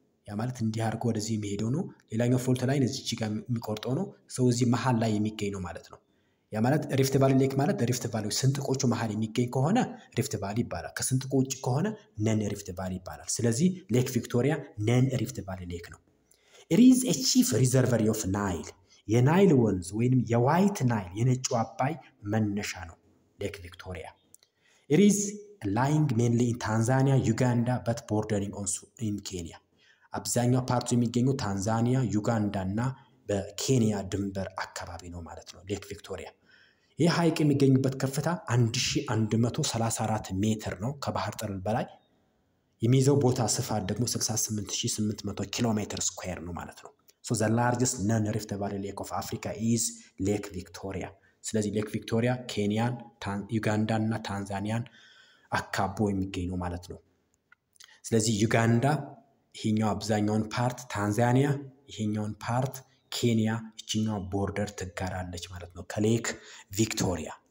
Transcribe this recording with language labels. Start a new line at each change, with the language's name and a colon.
Amharic: ያ ማለት እንዲያርጎ ወደዚህ የሚሄደው ነው። ሌላኛው ፎልት ላይን እዚች ጋር የሚቆርጠው ነው። ሰው እዚህ መሃል ላይ የሚገኝ ነው ማለት ነው። ያ ማለት ሪፍት ቫሊ ሌክ ማለት ሪፍት ቫሊ ስንጥቆቹ መሃል የሚገኝ ከሆነ ሪፍት ቫሊ ይባላል። ከስንጥቆቹ ከሆነ ነን ሪፍት ቫሊ ይባላል። ስለዚህ ሌክ ቪክቶሪያ ነን ሪፍት ቫሊ ሌክ ነው።
English: It is a chief reservoir of Nile.
Amharic: የናይል ወንዝ ወይንም የዋይት ናይል የነጩ አባይ መነሻ ነው ሌክ ቪክቶሪያ።
English: It is lying mainly in Tanzania, Uganda but bordering also in Kenya.
Amharic: አብዛኛው ፓርቱ የሚገኘው ታንዛኒያ፣ ዩጋንዳ እና በኬንያ ድንበር አካባቢ ነው ማለት ነው ሌክ ቪክቶሪያ። ይህ ሐይቅ የሚገኝበት ከፍታ 1134 ሜትር ነው ከባህር ጠለል በላይ። የሚይዘው ቦታ ስፋት ደግሞ 68800 ኪሎ ሜትር ስኳየር ነው ማለት ነው።
English: ሶ ዘ ላርጀስት ነን ሪፍት ቫሊ ሌክ ኦፍ አፍሪካ ኢዝ ሌክ ቪክቶሪያ።
Amharic: ስለዚህ ሌክ ቪክቶሪያ ኬንያን፣ ዩጋንዳን እና ታንዛኒያን አካቦ የሚገኝ ነው ማለት ነው። ስለዚህ ዩጋንዳ ይሄኛው አብዛኛውን ፓርት፣ ታንዛኒያ ይሄኛውን ፓርት፣ ኬንያ ይችኛው ቦርደር ትጋራለች ማለት ነው ከሌክ ቪክቶሪያ።